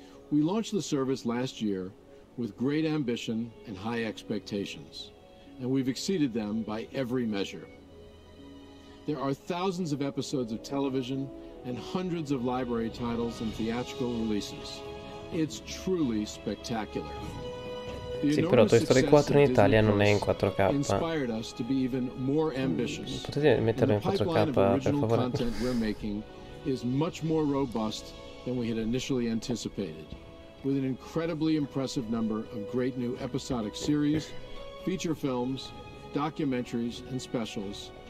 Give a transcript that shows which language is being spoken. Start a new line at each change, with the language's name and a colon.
English: We launched the service last year with great ambition and high expectations, and we've exceeded them by every measure. There are thousands of episodes of television and hundreds of library titles and theatrical releases. It's truly spectacular.
Italian: Sì, però Toy Story 4 in Italia non è in 4K. Potete metterlo in 4K, per favore?
English: The content we're making is much more robust than we had initially anticipated, with an incredibly impressive number of great new episodic series, feature films, documentaries and specials.